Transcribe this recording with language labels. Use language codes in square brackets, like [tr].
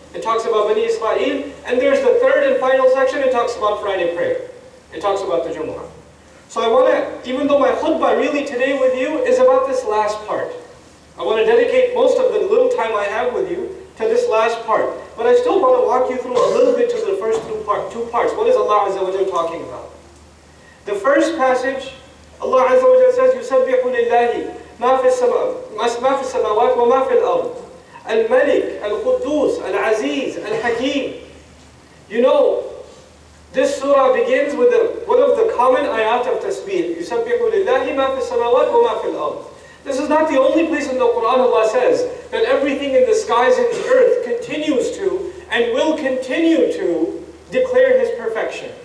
[en] It talks about Bani Israel, and there's the third and final section, it talks about Friday prayer. It talks about the Jumu'ah. So I want to, even though my khutbah really today with you is about this last part, I want to dedicate most of the little time I have with you to this last part. But I still want to walk you through a little bit to the first two parts. What is Allah Azza wa Jal talking about? The first passage, Allah Azza wa Jal says, [ar] يُسَبِّحُ لِلَّهِ مَا فِي السَّمَاوَاتِ وَمَا فِي الْأَرْضِ الْمَلِكْ الْقُدُّوسِ الْعَزِيزِ الْحَكِيمِ. [en] You know, this surah begins with one of the common ayat of tasbih. [ar] يُسَبِّحُ لِلَّهِ مَا فِي السَّمَاوَاتِ وَمَا فِي الْأَرْضِ. [en] This is not the only place in the Quran Allah says that everything in the skies and the earth continues to and will continue to declare His perfection.